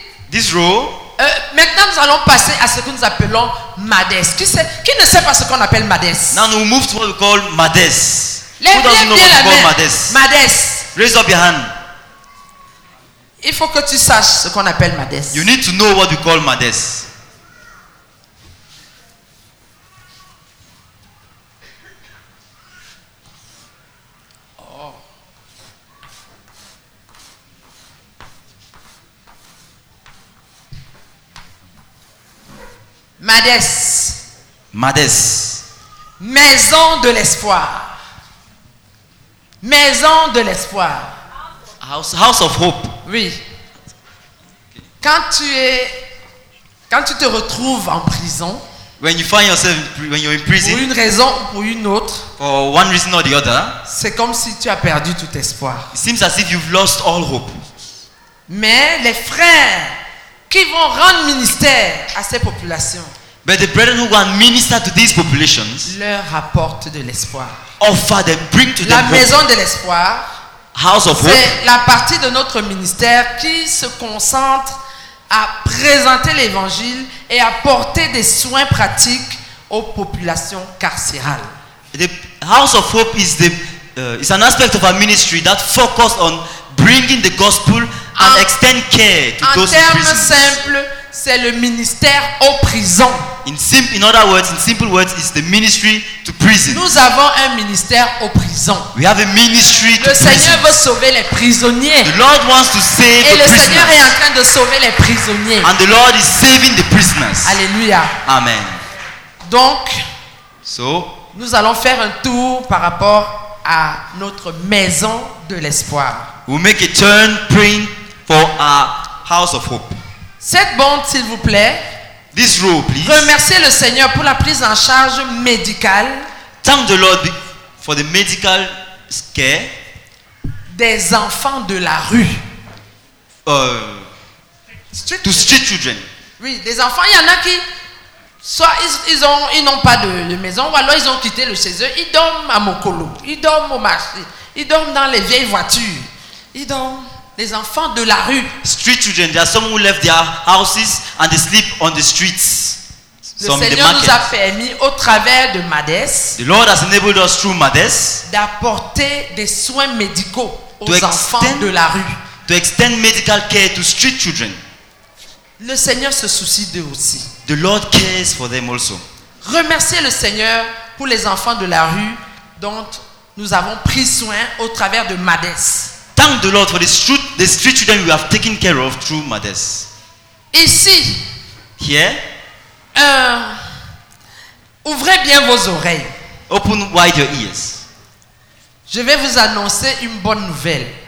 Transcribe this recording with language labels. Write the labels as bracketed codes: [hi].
[en] this row. [fr] Maintenant, nous allons passer à ce que nous appelons Mades. Qui ne sait pas ce qu'on appelle Mades? [en] Now we move to what we call Mades. [fr] Lève bien la main. [en] Who doesn't know what we call Mades? Mades. Raise up your hand. [fr] Il faut que tu saches ce qu'on appelle Mades. [en] You need to know what we call Mades. Mades. Mades. [fr] Maison de l'espoir. Maison de l'espoir. [en] House of hope. [fr] Oui. Quand tu te retrouves en prison. [en] When you find yourself when you're in prison. [fr] Pour une raison ou pour une autre. [en] For one reason or the other. [fr] C'est comme si tu as perdu tout espoir. [en] It seems as if you've lost all hope. [fr] Mais les frères qui vont rendre ministère à ces populations. [en] But the brethren who will minister to these populations [fr] leur apporte de l'espoir. [en] Offer them, bring to [fr] la [en] them [fr] maison [en] hope. [fr] De l'espoir. [en] House of [fr] c'est [en] hope. [fr] La partie de notre ministère qui se concentre à présenter l'évangile et à porter des soins pratiques aux populations carcérales. [en] The House of Hope is the is an aspect of our ministry that focuses on bringing the gospel and extend care to those in prison. [fr] En termes simples, c'est le ministère aux prisons. [en] In simple words, it's the ministry to prison. [fr] Nous avons un ministère aux prisons. [en] We have a ministry to prison. [fr] Le Seigneur veut sauver les prisonniers. [en] The Lord wants to save the prisoners. [fr] Et le Seigneur est en train de sauver les prisonniers. [en] And the Lord is saving the prisoners. [fr] Alléluia. Amen. Donc, [en] so, [fr] nous allons faire un tour par rapport à notre maison de l'espoir. [en] We'll make a turn praying for our house of hope. [fr] Cette bande, s'il vous plaît. [en] This row, please. [fr] Remerciez le Seigneur pour la prise en charge médicale. [en] Thank the Lord for the medical care. [fr] Des enfants de la rue. [en] Street to street children. [fr] Oui, des enfants. Il y en a qui, soit ils n'ont pas de maison, ou alors ils ont quitté le chez eux. Ils dorment à Mokolo. Ils dorment au marché. Ils dorment dans les vieilles voitures. Ils dorment. Les enfants de la rue. [en] Street children. There are some who left their houses and they sleep on the streets. [fr] Le some Seigneur nous a permis au travers de MADES. [en] The Lord has enabled us through MADES. [fr] D'apporter des soins médicaux aux enfants de la rue. [en] To extend medical care to street children. [fr] Le Seigneur se soucie d'eux aussi. [en] The Lord cares for them also. [fr] Remerciez le Seigneur pour les enfants de la rue dont nous avons pris soin au travers de MADES. [en] Thank the Lord for the street children we have taken care of through MADES. [fr] Ici, [en] here, [fr] ouvrez bien vos oreilles. [en] Open wide your ears. [fr] Je vais vous annoncer une bonne nouvelle.